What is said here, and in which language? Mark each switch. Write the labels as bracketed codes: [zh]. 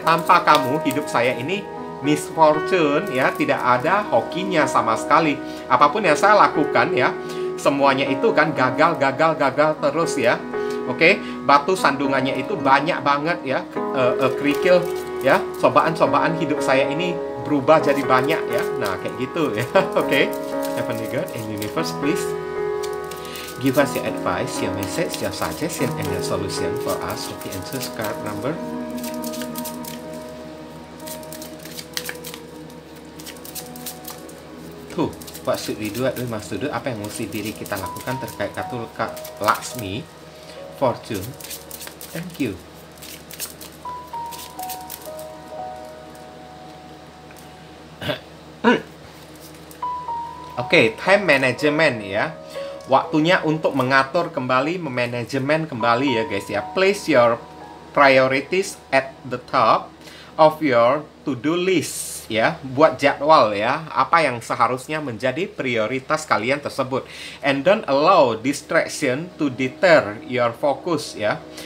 [id] Tanpa kamu, hidup saya ini misfortune ya, tidak ada hokinya sama sekali. Apapun yang saya lakukan ya, semuanya itu kan gagal, gagal, gagal terus ya. Oke, batu sandungannya itu banyak banget ya, kerikil ya, cobaan-cobaan hidup saya ini berubah jadi banyak ya. Nah, kayak gitu ya. Oke. [en] Heavenly God and Universe, please give us your advice, your message, your suggestion and your solution for us with the answers card number. [id] Tuh, [en] what should we do, what we must do, [id] apa yang mesti diri kita lakukan terkait kartu Laksmi, Fortune. [en] Thank you. Okay, time management ya. [id] Waktunya untuk mengatur kembali, memanajemen kembali ya guys ya. [en] Place your priorities at the top of your to-do list ya. [id] Buat jadwal ya, apa yang seharusnya menjadi prioritas kalian tersebut. [en] And don't allow distraction to deter your focus ya.